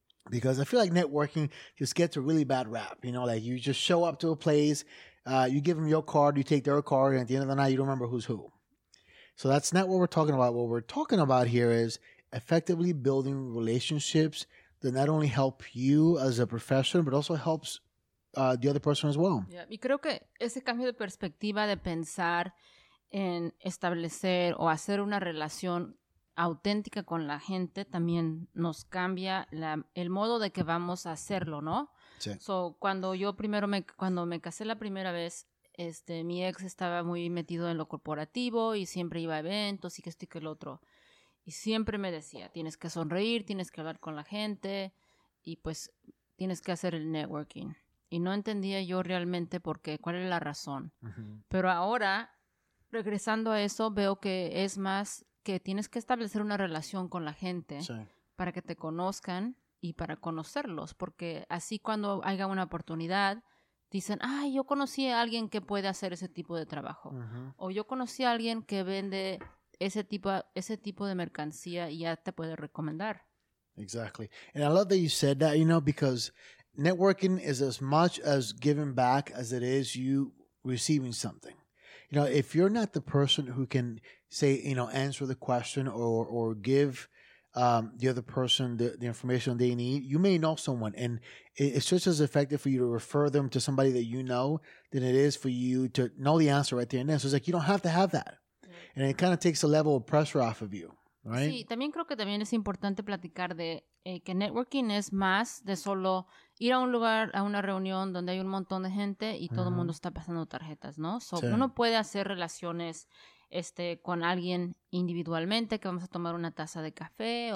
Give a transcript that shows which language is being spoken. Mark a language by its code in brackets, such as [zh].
[en] Because I feel like networking just gets a really bad rap. You know, like you just show up to a place. You give them your card, you take their card, and at the end of the night, you don't remember who's who. So that's not what we're talking about. What we're talking about here is effectively building relationships that not only help you as a professional, but also helps the other person as well. [es] Yeah, y creo que ese cambio de perspectiva de pensar en establecer o hacer una relación auténtica con la gente también nos cambia el modo de que vamos a hacerlo, ¿no? Sí. So, cuando me casé la primera vez, mi ex estaba muy metido en lo corporativo y siempre iba a eventos y que esto y que el otro. Y siempre me decía, tienes que sonreír, tienes que hablar con la gente y pues tienes que hacer el networking. Y no entendía yo realmente por qué, cuál era la razón. Uh-huh. Pero ahora, regresando a eso, veo que es más que tienes que establecer una relación con la gente sí. Para que te conozcan. Y para conocerlos, porque así cuando haya una oportunidad, dicen, ay, yo conocí a alguien que puede hacer ese tipo de trabajo. Uh-huh. O yo conocí a alguien que vende ese tipo de mercancía y ya te puede recomendar. [en] Exactly. And I love that you said that, you know, because networking is as much as giving back as it is you receiving something. You know, if you're not the person who can say, you know, answer the question or give the other person the information they need, you may know someone, and it's just as effective for you to refer them to somebody that you know than it is for you to know the answer right there and then. So it's like you don't have to have that. Mm-hmm. And it kind of takes a level of pressure off of you, right? [es] Sí, también creo que también es importante platicar de que networking es más de solo ir a un lugar, a una reunión donde hay un montón de gente y todo el mundo está pasando tarjetas, ¿no? [en] So [es] sí. Uno puede hacer relaciones con alguien individualmente, que vamos a tomar una taza de café o